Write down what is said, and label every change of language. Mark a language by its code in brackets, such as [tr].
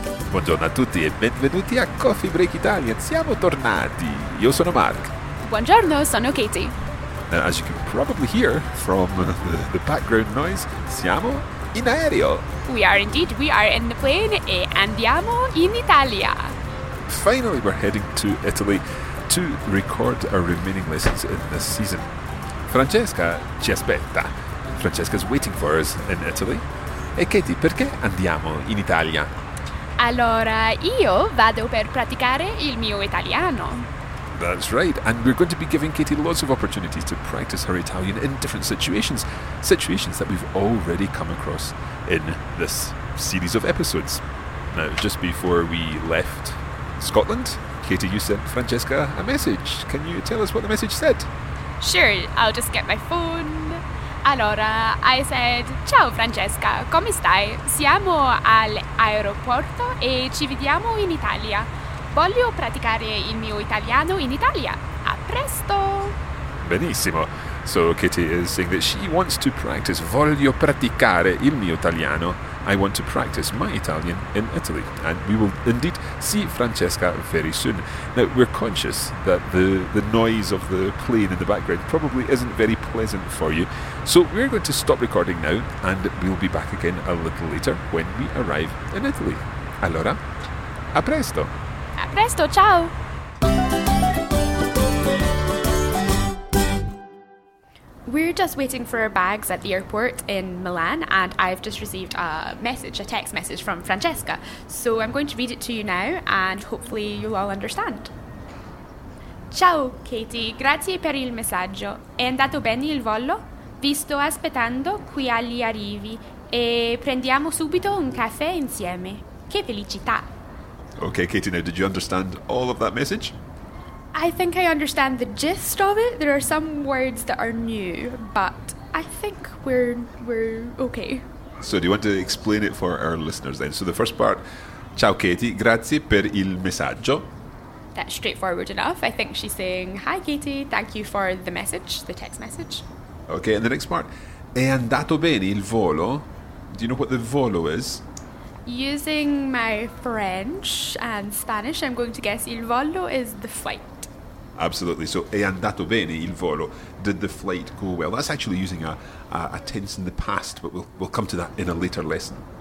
[it] Buongiorno a tutti e benvenuti a Coffee Break Italian. Siamo tornati. Io sono Mark. Buongiorno, sono Katie. [en] And as you can probably hear from the background noise, [it] siamo in aereo. [en] We are indeed. We are in the plane [it] e andiamo in Italia. [en] Finally, we're heading to Italy to record our remaining lessons in this season. [it] Francesca ci aspetta. [en] Francesca's waiting for us in Italy. [it] E Katie, perché andiamo in Italia? Allora, io vado per praticare il mio italiano. [en] That's right, and we're going to be giving Katie lots of opportunities to practice her Italian in different situations, situations that we've already come across in this series of episodes. Now, just before we left Scotland, Katie, you sent Francesca a message. Can you tell us what the message said? Sure, I'll just get my phone. [it] Allora, [en] I said, [it] ciao Francesca, come stai? Siamo all'aeroporto e ci vediamo in Italia. Voglio praticare il mio italiano in Italia. A presto! Benissimo. [en] So Kitty is saying that she wants to practice. [it] Voglio praticare il mio italiano. [en] I want to practice my Italian in Italy. And we will indeed see Francesca very soon. Now, we're conscious that the noise of the plane in the background probably isn't very pleasant for you. So we're going to stop recording now and we'll be back again a little later when we arrive in Italy. [it] Allora, a presto! A presto, ciao! [en] We're just waiting for our bags at the airport in Milan, and I've just received a text message from Francesca. So I'm going to read it to you now, and hopefully you'll all understand. [it] Ciao, Katie. Grazie per il messaggio. È andato bene il volo? Vi sto aspettando qui agli arrivi, e prendiamo subito un caffè insieme. Che felicità! [en] Okay, Katie, now did you understand all of that message? I think I understand the gist of it. There are some words that are new, but I think we're okay. So do you want to explain it for our listeners then? So the first part, [it] ciao Katie, grazie per il messaggio. [en] That's straightforward enough. I think she's saying, hi Katie, thank you for the message, the text message. Okay, and the next part, [it] è andato bene il volo? [en] Do you know what the volo is? Using my French and Spanish, I'm going to guess il volo is the flight. Absolutely. So, [it] è andato bene il volo. [en] Did the flight go well? That's actually using a tense in the past, but we'll come to that in a later lesson.